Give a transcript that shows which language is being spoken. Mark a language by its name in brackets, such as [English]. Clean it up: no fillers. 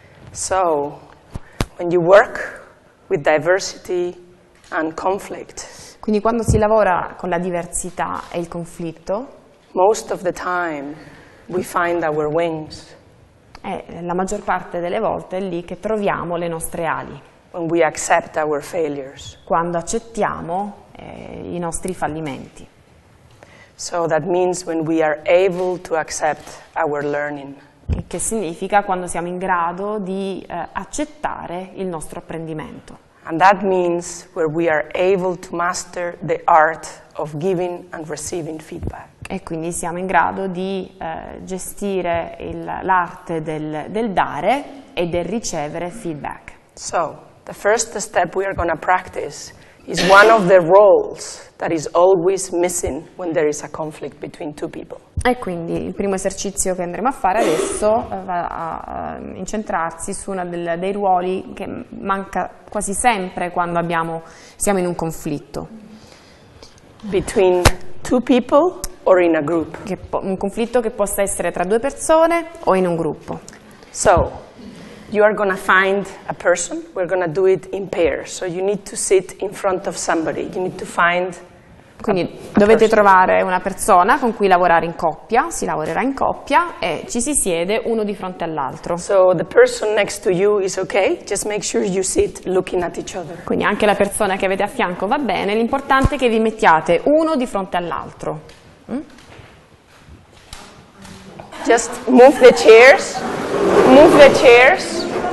[English] So, when you work with diversity and conflict. [Italian] Quindi quando si lavora con la diversità e il conflitto. [English] Most of the time we find our wings. [Italian] La maggior parte delle volte è lì che troviamo le nostre ali. [English] When we accept our failures. [Italian] Quando accettiamo i nostri fallimenti. [English] So that means when we are able to accept our learning. [Italian] Che significa quando siamo in grado di accettare il nostro apprendimento. [English] And that means where we are able to master the art of giving and receiving feedback. [Italian] E quindi siamo in grado di gestire l'arte del dare e del ricevere feedback. [English] So, the first step we are going to practice is one of the roles that is always missing when there is a conflict between two people. [Italian] E quindi il primo esercizio che andremo a fare adesso va a incentrarsi su uno dei ruoli che manca quasi sempre quando siamo in un conflitto. [English] Between two people or in a group. [Italian] Un conflitto che possa essere tra due persone o in un gruppo. [English] So, you are going to find a person, we're going to do it in pairs, so you need to sit in front of somebody, you need to find. [Italian] Quindi dovete trovare una persona con cui lavorare in coppia, si lavorerà in coppia e ci si siede uno di fronte all'altro. [English] So the person next to you is okay, just make sure you sit looking at each other. [Italian] Quindi anche la persona che avete a fianco va bene, l'importante è che vi mettiate uno di fronte all'altro. [English] Just move the chairs. Move the chairs.